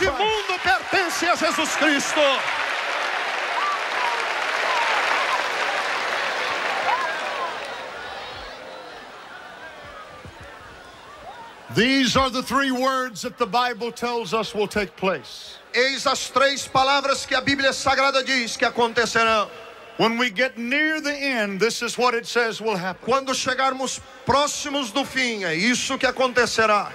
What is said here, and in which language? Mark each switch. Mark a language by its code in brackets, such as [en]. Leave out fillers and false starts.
[pt] Este mundo pertence a Jesus Cristo. [en] These are the three words that the Bible tells us will take place. [pt] Eis as três palavras que a Bíblia Sagrada diz que acontecerão. [en] When we get near the end, this is what it says will happen. [pt] Quando chegarmos próximos do fim, é isso que acontecerá.